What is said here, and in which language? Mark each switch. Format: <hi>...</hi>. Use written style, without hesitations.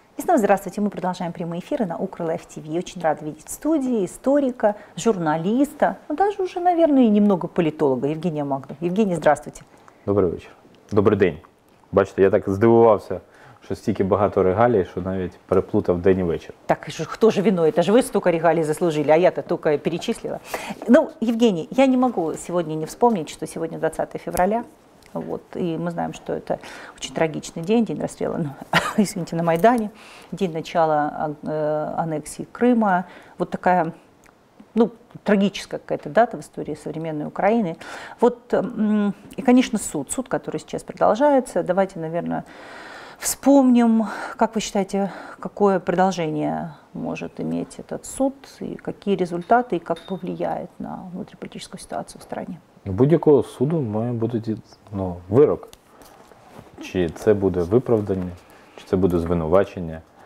<ru>снова здравствуйте. Мы продолжаем прямые эфиры на Укрлайф ТВ. Очень рада видеть в студии историка, журналиста, ну, даже уже, наверное, и немного политолога Евгения Магду. Евгений, здравствуйте.</ru> <uk>Добрий вечір. Добрий день. Бачите, я так здивувався, що стільки багато регалій, що навіть переплутав день і вечір. Так, хто ж виною? Це ж ви стільки регалій заслужили, а я-то тільки перечислила. Ну, Евгений, я не можу сьогодні не вспомнити, що сьогодні 20 февраля.</uk> <ru>Вот. И мы знаем, что это очень трагичный день, день расстрела, ну, извините, на Майдане, день начала аннексии Крыма. Вот такая, ну, трагическая какая-то дата в истории современной Украины. Вот, и, конечно, суд, который сейчас продолжается. Давайте, наверное, вспомним, как вы считаете, какое продолжение может иметь этот суд, и какие результаты, и как повлияет на внутриполитическую ситуацию в стране.</ru> <uk>Будь-якого суду має бути, ну, вирок. Чи це буде виправдання, чи це буде звинувачення.</uk>